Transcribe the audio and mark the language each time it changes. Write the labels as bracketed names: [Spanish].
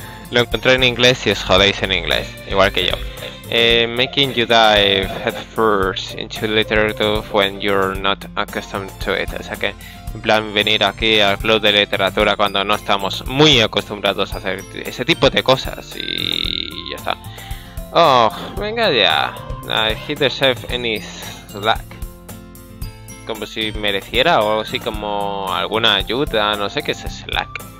[Spanish] Lo encontré en inglés y os jodéis en inglés, igual que yo. [English] Making you dive headfirst into literature when you're not accustomed to it. [Spanish] O sea que, en plan, venir aquí al club de literatura cuando no estamos muy acostumbrados a hacer ese tipo de cosas y ya está. Oh, venga ya. [English] I hit the shelf in his slack. [Spanish] Como si mereciera o así como alguna ayuda, no sé qué es Slack.